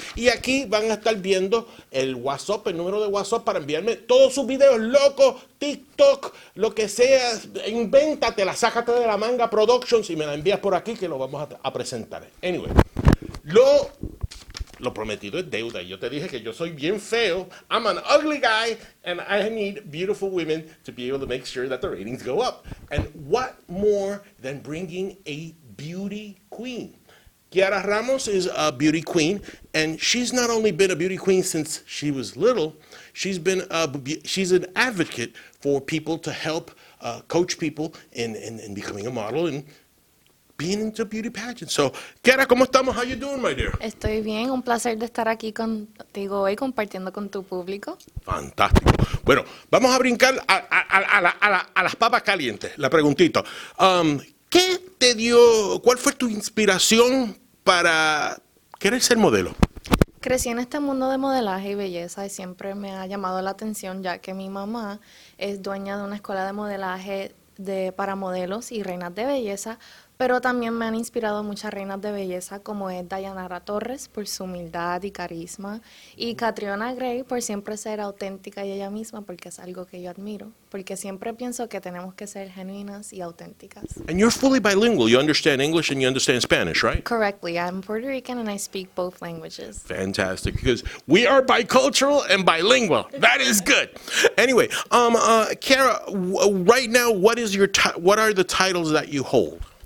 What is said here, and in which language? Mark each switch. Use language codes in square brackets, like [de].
[es] Y aquí van a estar viendo el WhatsApp, el número de WhatsApp para enviarme todos sus videos locos, TikTok, lo que sea, invéntatela, sácate de la manga Productions y me la envías por aquí que lo vamos a presentar. Anyway, lo prometido es deuda. Yo te dije que yo soy bien feo. [en] I'm an ugly guy and I need beautiful women to be able to make sure that the ratings go up. And what more than bringing a beauty queen? Kiara Ramos is a beauty queen, and she's not only been a beauty queen since she was little, she's been she's an advocate for people to help coach people in becoming a model and being into beauty pageants. So, Kiara, [es] ¿cómo estamos? [en] How you doing, my dear? [es] Estoy bien. Un placer de estar aquí contigo hoy, compartiendo con tu público. Fantástico. Bueno, vamos a brincar a las papas calientes. La preguntito. ¿Qué te dio, cuál fue tu inspiración para querer ser modelo? Crecí en este mundo de modelaje y belleza y siempre me ha llamado la atención, ya que mi mamá es dueña de una escuela de modelaje para modelos y reinas de belleza, pero también me han inspirado muchas reinas de belleza, como es Dayanara Torres por su humildad y carisma, y Catriona Gray por siempre ser auténtica y ella misma, porque es algo que yo admiro, porque siempre pienso que tenemos que ser genuinas y auténticas. [en] And you're fully bilingual. You understand English and you understand Spanish, right? Correctly. I'm Puerto Rican and I speak both languages. Fantastic, because we are bicultural and bilingual. That is good. Anyway, Kiara, right now, what are the titles that you hold?